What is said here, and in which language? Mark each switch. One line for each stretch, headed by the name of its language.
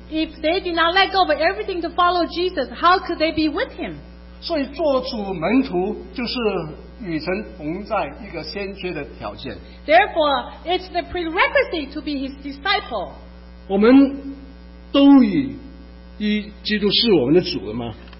English: ？If they did not let go of everything to follow Jesus, how could they be with him?
Chinese: 所以做主门徒就是与神同在一个先决的条件。
English: Therefore, it's the prerequisite to be his disciple.
Chinese: 我们都以基督是我们的主了吗